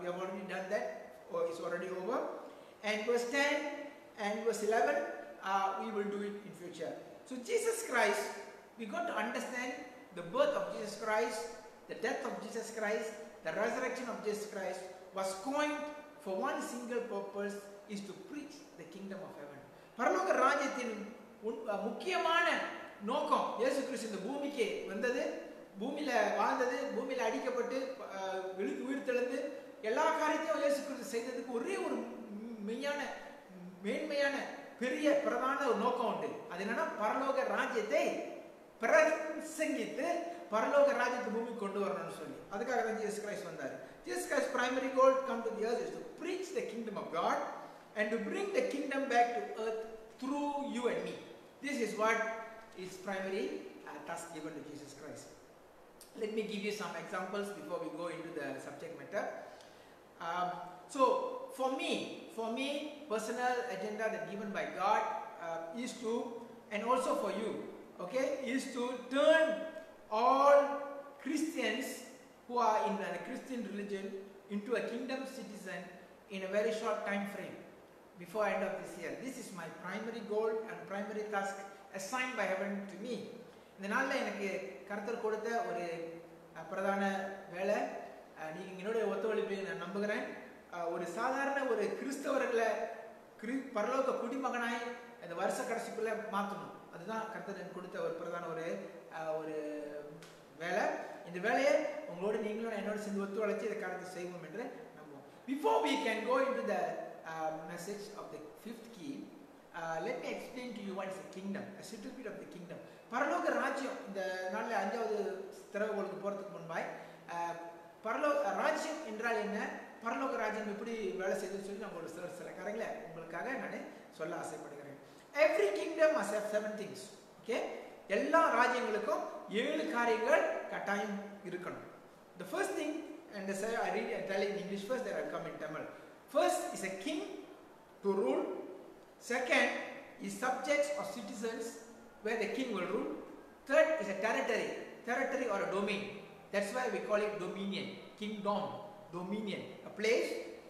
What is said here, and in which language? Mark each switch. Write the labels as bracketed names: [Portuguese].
[English] We have already done that, or it's already over. And verse 10 and verse 11, we will do it in future. So Jesus Christ, we got to understand the birth of Jesus Christ, the death of Jesus Christ, the resurrection of Jesus Christ was coined for one single purpose, is to preach the kingdom of heaven. [Tamil] பரலோக ராஜ்யத்தின் முக்கியமான நோக்கம் இயேசு கிறிஸ்து இந்த பூமிக்கு வந்தது, பூமியில வாழ்ந்தது, பூமியில அடிக்கப்பட்டு விழுந்து உயிர்த்தெழுந்து எல்லா காரியத்தையும் இயேசு கிறிஸ்து செய்ததுக்கு ஒரே ஒரு மெய்யான மேன்மையான பெரிய பிரதான ஒரு நோக்கம் உண்டு. அது என்னன்னா, பரலோக ராஜ்யத்தை பிரசங்கித்து பரலோக ராஜ்யத்தை பூமி கொண்டு வரணும்னு சொல்லி, அதுக்காக தான் இயேசு கிறிஸ்து வந்தார். [English] இயேசு கிறிஸ்து primary goal come to the earth is to preach the kingdom of God and to bring the kingdom back to earth through you and me. This is what is primary task given to Jesus Christ. Let me give you some examples before we go into the subject matter. So for me personal agenda that given by God is to, and also for you, okay, is to turn all Christians who are in a Christian religion into a kingdom citizen in a very short time frame before end of this year. This is my primary goal and primary task assigned by heaven to me. [Tamil] இந்த நாளில் எனக்கு கர்த்தர் கொடுத்த ஒரு பிரதான வேலை, நீங்கள் என்னுடைய ஒத்துழைப்பை நான் நம்புகிறேன். ஒரு சாதாரண ஒரு கிறிஸ்தவர்களை பரலோக குடிமகனாய் இந்த வருஷ கடைசிக்குள்ள மாற்றணும், அதுதான் கர்த்தர் எனக்கு கொடுத்த ஒரு பிரதான ஒரு ஒரு வேலை. இந்த வேலையை உங்களோட நீங்களோட என்னோட சேர்ந்து ஒத்துழைச்சி இதை கடந்து செய்வோம் என்று நம்புவோம். [English] Before we can go into the message of the fifth key, let me explain to you what is the kingdom, a little bit of the kingdom. [Tamil] பரலோக ராஜ்யம் இந்த நாளில் அஞ்சாவது திரவுகோளுக்கு போகிறதுக்கு முன்பாய் பரலோக ராஜ்யம் என்றால் என்ன, பரலோக ராஜ்யம் எப்படி வேலை செய்யும் சொல்லி நான் ஒரு சில கரங்களை உங்களுக்காக நான் சொல்ல ஆசைப்படுகிறேன். [English] every kingdom has seven things, [Tamil] okay, எல்லா ராஜ்யங்களுக்கும் ஏழு காரியங்கள் கட்டாயம் இருக்கணும். [English] The first thing, and I read and tell in English first, then I come in Tamil. First is a king to rule. Second is subjects or citizens where the king will rule. Third is a territory. Territory or a domain. That's why we call it dominion. Kingdom. Dominion. A place.